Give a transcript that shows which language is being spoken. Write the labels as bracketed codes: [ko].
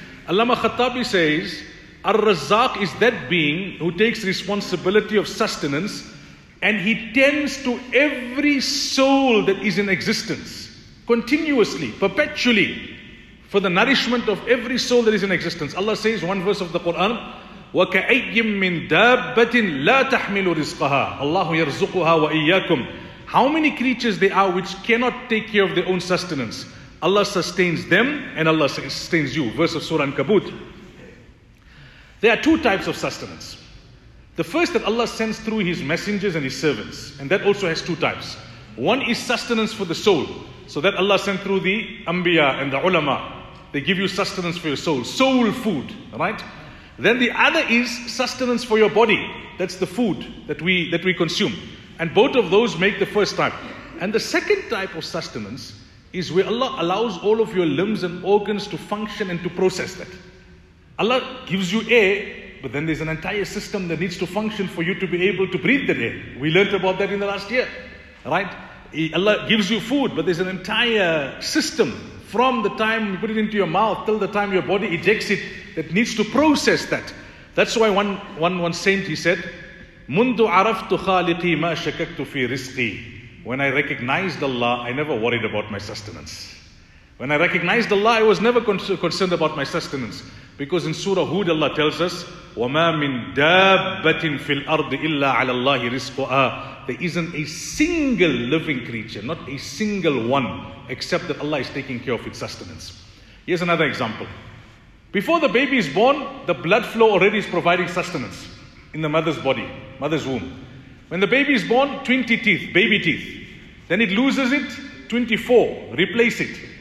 [en] Allama Khattabi says, Ar-Razzaq is that being who takes responsibility of sustenance and he tends to every soul that is in existence continuously, perpetually, for the nourishment of every soul that is in existence. Allah says one verse of the Quran, [ar] وَكَأَيِّمْ مِنْ دَابَّةٍ لَا تَحْمِلُ رِزْقَهَا اللَّهُ يَرْزُقُهَا وَإِيَّاكُمْ. [en] How many creatures they are which cannot take care of their own sustenance. Allah sustains them and Allah sustains you. Verse of Surah An-Kabut. There are two types of sustenance. The first that Allah sends through His messengers and His servants. And that also has two types. One is sustenance for the soul. So that Allah sent through the Anbiya and the Ulama. They give you sustenance for your soul. Soul food, right? Then the other is sustenance for your body. That's the food that we consume. And both of those make the first type. And the second type of sustenance is where Allah allows all of your limbs and organs to function and to process that. Allah gives you air, but then there's an entire system that needs to function for you to be able to breathe that air. We learned about that in the last year, right? Allah gives you food, but there's an entire system from the time you put it into your mouth till the time your body ejects it that needs to process that. That's why one saint, he said, [ar] منذ عرفت خالقي ما شككت في رزقي. [en] When I recognized Allah, I never worried about my sustenance. When I recognized Allah, I was never concerned about my sustenance. Because in Surah Hud, Allah tells us, [ar] وَمَا مِن دَابَّةٍ فِي الْأَرْضِ إِلَّا عَلَى اللَّهِ رِزْقُهَا. [en] there isn't a single living creature, not a single one, except that Allah is taking care of its sustenance. Here's another example. Before the baby is born, the blood flow already is providing sustenance in the mother's body, mother's womb. When the baby is born, 20 teeth, baby teeth. Then it loses it, 24, replace it.